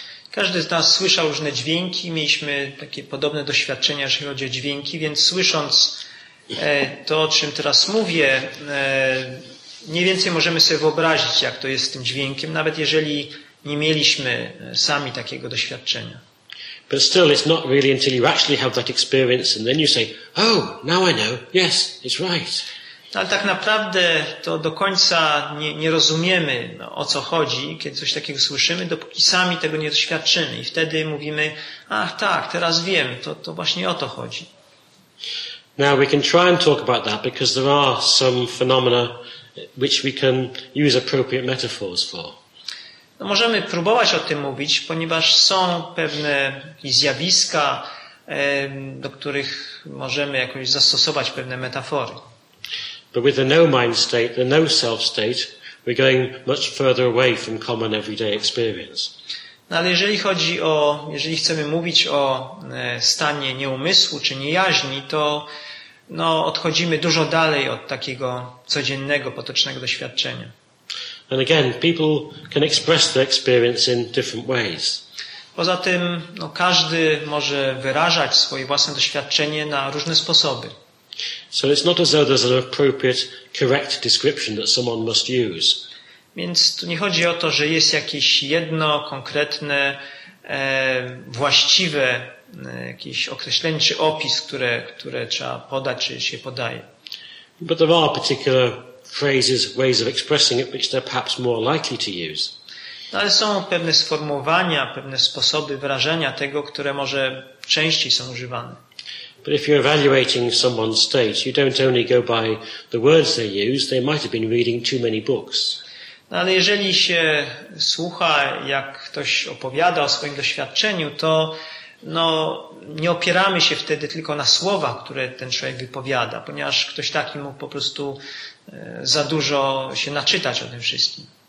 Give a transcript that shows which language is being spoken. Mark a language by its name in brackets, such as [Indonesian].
[Polish] Każdy z nas słyszał różne dźwięki, mieliśmy takie podobne doświadczenia, jeżeli chodzi o dźwięki, więc słysząc to, o czym teraz mówię, mniej więcej możemy sobie wyobrazić, jak to jest z tym dźwiękiem, nawet jeżeli nie mieliśmy sami takiego doświadczenia. [English] But still, it's not really until you actually have that experience and then you say, oh, now I know, yes, it's right. [Polish] Ale tak naprawdę to do końca nie rozumiemy, no, o co chodzi, kiedy coś takiego słyszymy, dopóki sami tego nie doświadczymy. I wtedy mówimy, ach tak, teraz wiem, to właśnie o to chodzi. [English] Now we can try and talk about that because there are some phenomena which we can use appropriate metaphors for. [Polish] No, możemy próbować o tym mówić, ponieważ są pewne zjawiska, do których możemy jakoś zastosować pewne metafory. [English] But with the no mind state, the no self state, we're going much further away from common everyday experience. [Polish] No, ale jeżeli chcemy mówić o stanie nieumysłu czy niejaźni, to no, odchodzimy dużo dalej od takiego codziennego, potocznego doświadczenia. [English] And again, people can express their experience in different ways. [Polish] Poza tym, no, każdy może wyrażać swoje własne doświadczenie na różne sposoby. [English] So it's not as though there's an appropriate, correct description that someone must use. [Polish] Więc tu nie chodzi o to, że jest jakieś jedno konkretne, właściwe jakieś określenie czy opis, które trzeba podać, czy się podaje. [English] But there are particular phrases, ways of expressing it, which they're perhaps more likely to use. [Polish] No, ale są pewne sformułowania, pewne sposoby wyrażania tego, które może częściej są używane. [English] But if you're evaluating someone's state, you don't only go by the words they use, they might have been reading too many books. [Polish] No, ale jeżeli się słucha, jak ktoś opowiada o swoim doświadczeniu, to no, nie opieramy się wtedy tylko na słowa, które ten człowiek wypowiada, ponieważ ktoś taki mógł po prostu za dużo się naczytać o tym wszystkim.